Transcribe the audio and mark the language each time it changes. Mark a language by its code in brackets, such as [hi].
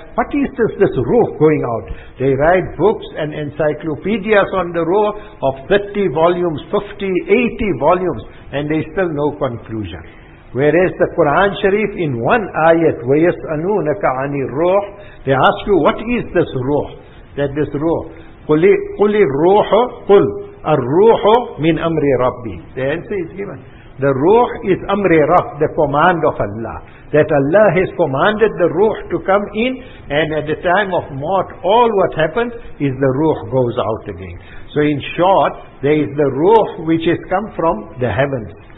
[en] What is this ruh going out? They write books and encyclopedias on the ruh of 30 volumes, 50, 80 volumes, and they still no conclusion. Whereas the Quran Sharif in one ayat, [ar] وَيَسْأَلُونَكَ عَنِ الرُّوحِ, [en] they ask you, what is this ruh? That this ruh, [ar] قُلِ الرُّوحُ قُلْ الرُّوحُ مِنْ أَمْرِ رَبِّي. [en] The answer is given. The ruh is amri rab, the command of Allah. That Allah has commanded the ruh to come in, and at the time of mort, all what happens is the ruh goes out again. So in short, there is the ruh which has come from the heavens.